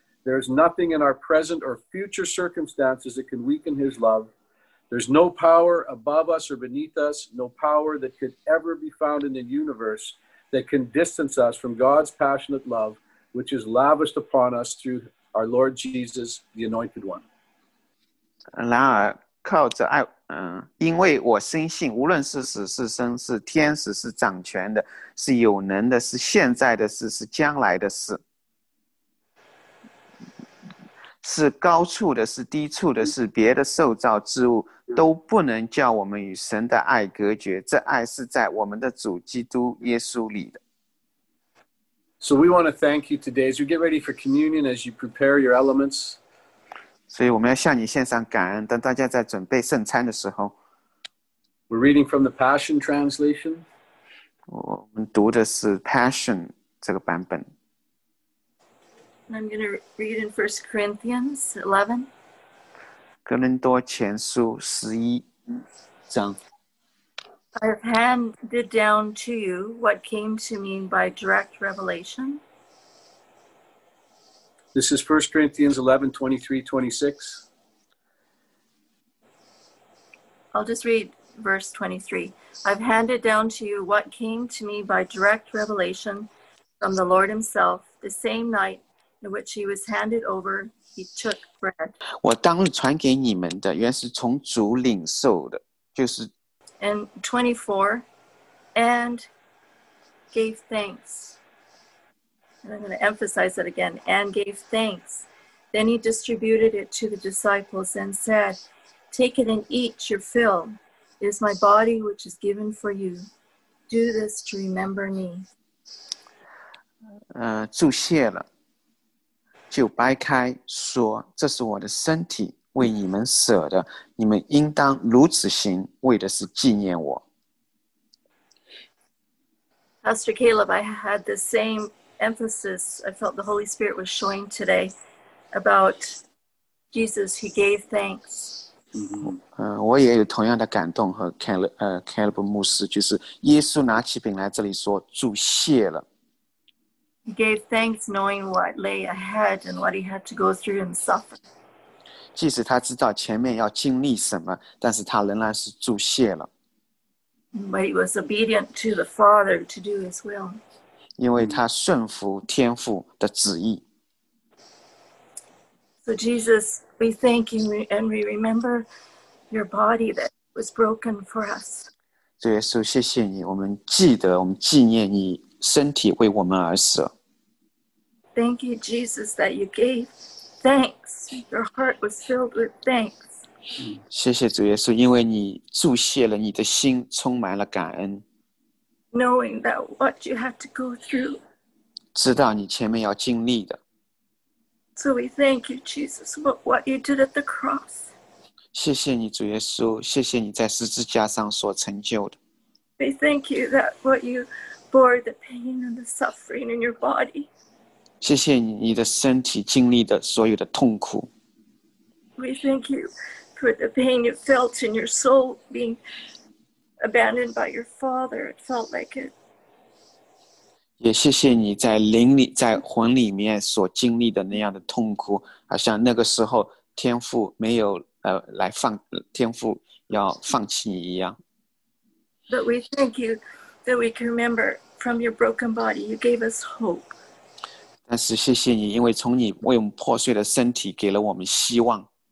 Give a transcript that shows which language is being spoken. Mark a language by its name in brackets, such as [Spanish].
[English] There is nothing in our present or future circumstances that can weaken his love. There's no power above us or beneath us, no power that could ever be found in the universe that can distance us from God's passionate love, which is lavished upon us through our Lord Jesus, the Anointed One. [Chinese] 然而靠着爱，因为我深信，无论是死是生，是天使是掌权的，是有能的，是现在的事，是将来的事，是高处的，是低处的，是别的受造之物，都不能叫我们与神的爱隔绝。这爱是在我们的主基督耶稣里的。 [English] So we want to thank you today as you get ready for communion, as you prepare your elements. [Chinese] 所以我们要向你献上感恩，当大家在准备圣餐的时候。 [English] We're reading from the Passion Translation. [Chinese] 我们读的是 Passion 这个版本。 [English] I'm going to read in 1 Corinthians 11. [Chinese] 哥林多前书十一章。 [English] I have handed down to you what came to me by direct revelation. This is 1 Corinthians 11:23-26. I'll just read verse 23. I've handed down to you what came to me by direct revelation from the Lord himself. The same night in which he was handed over, he took bread. [Chinese] 我当日传给你们的原是从主领受的，就是。 [English] And 24, and gave thanks. And I'm going to emphasize that again, and gave thanks. Then he distributed it to the disciples and said, Take it and eat your fill. It is my body which is given for you. Do this to remember me. [Chinese] 注谢了，就掰开说，这是我的身体为你们舍的，你们应当如此行，为的是纪念我。 [English] Pastor Caleb, I had the same... emphasis I felt the Holy Spirit was showing today about Jesus, he gave thanks. [Chinese] 我也有同样的感动和 Caleb 牧师，就是耶稣拿起饼来这里说，祝谢了。 [English] He gave thanks knowing what lay ahead and what he had to go through and suffer. [Chinese] 即使他知道前面要经历什么，但是他仍然是祝谢了。 [English] But he was obedient to the Father to do his will. [Chinese] 因为他顺服天父的旨意。 [English] So Jesus, we thank you and we remember your body that was broken for us. [Chinese] 主耶稣，谢谢你，我们记得，我们纪念你身体为我们而死。 [English] Thank you, Jesus, that you gave thanks. Your heart was filled with thanks. [Chinese] 谢谢主耶稣，因为你祝谢了，你的心充满了感恩。 [English] Knowing that what you had to go through. [Chinese] 知道你前面要经历的。 [English] So we thank you, Jesus, for what you did at the cross. [Chinese] 谢谢你，主耶稣，谢谢你在十字架上所成就的。 [English] We thank you that what you bore the pain and the suffering in your body. [Chinese] 谢谢你，你的身体经历的所有的痛苦。 [English] We thank you for the pain you felt in your soul being abandoned by your father. It felt like it. [Chinese] 也谢谢你在灵里在魂里面所经历的那样的痛苦，好像那个时候天父没有来放天父要放弃你一样。 [English] But we thank you that we can remember from your broken body you gave us hope. [Chinese] 但是谢谢你，因为从你为我们破碎的身体给了我们希望。